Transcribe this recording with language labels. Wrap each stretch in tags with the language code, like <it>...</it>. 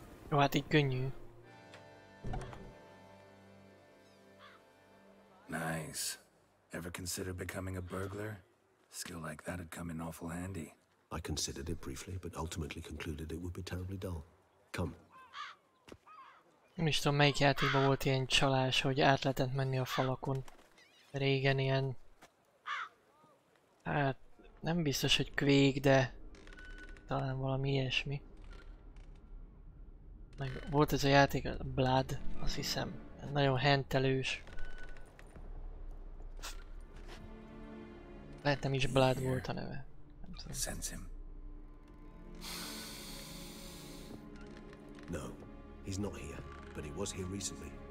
<hu>Oh, hát így könnyű.</hu> <en>Nice. Ever consider becoming a burglar? Skill like that had come in awful handy. I considered it briefly, but ultimately concluded it would be terribly dull. Come.</en> <hu>Nem is tudom, melyik játékban volt ilyen csalás, hogy át lehetett menni a falakon. Régen ilyen... Hát... Nem biztos, hogy Quake, de... Talán valami ilyesmi. Meg volt ez a játék, a Blood, azt hiszem. Nagyon hentelős. Lehet nem is Blood volt a neve. Nem tudom.</hu> <en>Sense him. No, he's not here, but he was here recently.</en>